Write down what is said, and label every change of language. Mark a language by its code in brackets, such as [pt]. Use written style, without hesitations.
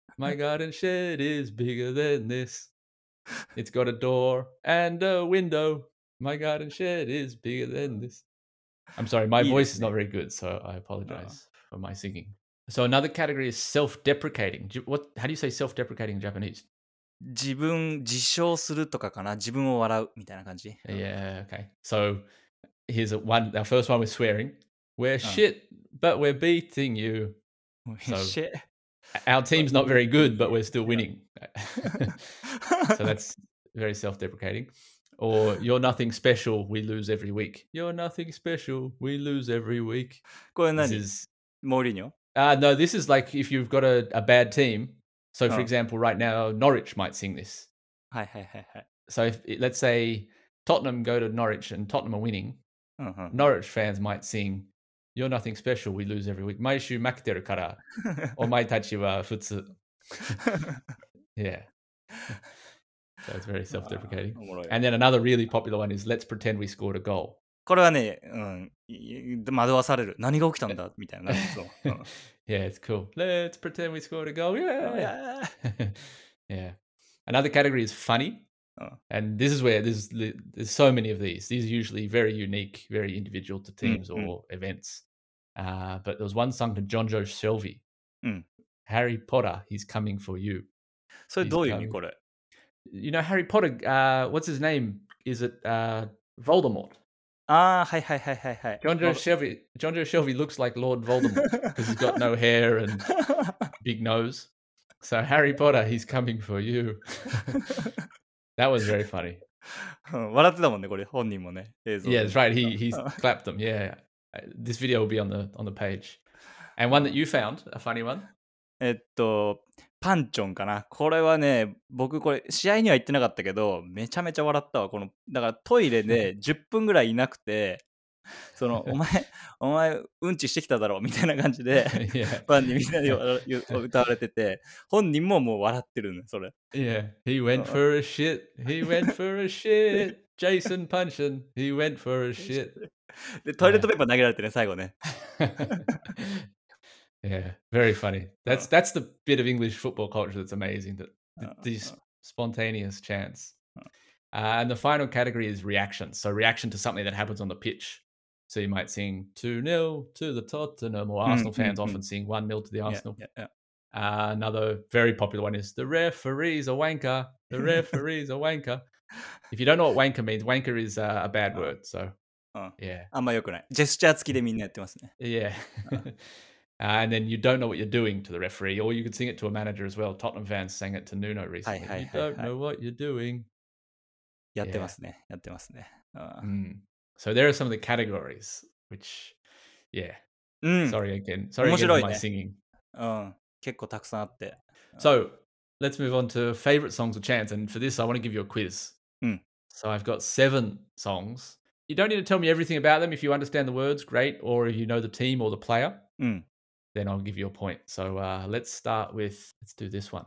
[en] My garden shed is bigger than this. It's got a door and a window. My garden shed is bigger than this. I'm sorry, my voice is not very good, so I apologize for my singing. So another category is self-deprecating. How do you say self-deprecating in Japanese? [ja] 自分自称するとかかな自分を笑うみたいな感じ [en] Yeah, okay. So here's our first one with swearing. We're shit, but we're beating you. Shit. Our team's not very good, but we're still winning. So that's very self-deprecating. Or you're nothing special, we lose every week. You're nothing special, we lose every week. [ja] これ何?Mourinho? [en] No, this is like if you've got a bad team,So, for example, right now, Norwich might sing this. はいはいはい、はい、 So, let's say Tottenham go to Norwich and Tottenham are winning.、 Uh-huh. Norwich fans might sing, You're nothing special, we lose every week. [ja] 毎週負けてるから、お前たちは普通。 [en] Yeah. That's very self-deprecating. And then another really popular one is, Let's pretend we scored a goal. [ja] これはね、惑わされる。何が起きたんだみたいな。 [en] Yeah, it's cool. Let's pretend we scored a goal. Yeah. yeah. Another category is funny. And this is where there's so many of these. These are usually very unique, very individual to teams or events. But there was one sung to Jonjo Shelby. Harry Potter, he's coming for you. [ja] So, どういう意味これ? [en] You know, Harry Potter, what's his name? Is it Voldemort? Ah, hi, hi, hi, hi, hi. Jonjo Shelby looks like Lord Voldemort because he's got no hair and big nose. So Harry Potter, he's coming for you. That was very funny. [ja] 笑ってたもんね、これ、本人もね。 [en] Yeah, that's right. He's clapped them. Yeah. This video will be on the page. And one that you found, a funny one. [ja] パンチョンかな。これはね、僕これ試合には行ってなかったけど、めちゃめちゃ笑ったわ。このだからトイレで10分ぐらいいなくて、そのお前うんちしてきただろうみたいな感じで、 yeah. ファンにみんなで歌われてて、本人ももう笑ってるね。それ。 [en] Yeah, he went for a shit. He went for a shit. Jason Punchin. He went for a shit. でトイレットペーパー投げられてね最後ね。 Yeah, very funny. That's the bit of English football culture that's amazing, these spontaneous chants. And the final category is reactions. So reaction to something that happens on the pitch. So you might sing 2-0 to the Tottenham, or Arsenal fans often sing 1-0 to the Arsenal. Yeah, yeah, yeah. Another very popular one is the referee's a wanker. The referee's a wanker. If you don't know what wanker means, wanker is a bad word. So, yeah. [ja] あんまよくない。ジェスチャー付きでみんなやってますね。 Yeah. [en] And then you don't know what you're doing to the referee, or you could sing it to a manager as well. Tottenham fans sang it to Nuno recently. はいはいはい、はい、 you don't know what you're doing. [ja] やってますね。やってますね。 [en] So there are some of the categories, which, yeah.、うん、 Sorry again. Sorry again for my singing.、 [ja] うん、結構たくさんあって。 [en] So let's move on to favorite songs or chants. And for this, I want to give you a quiz.、うん、 so I've got 7 songs. You don't need to tell me everything about them. If you understand the words, great. Or if you know the team or the player. うん、 Then I'll give you a point. So let's start with, let's do this one.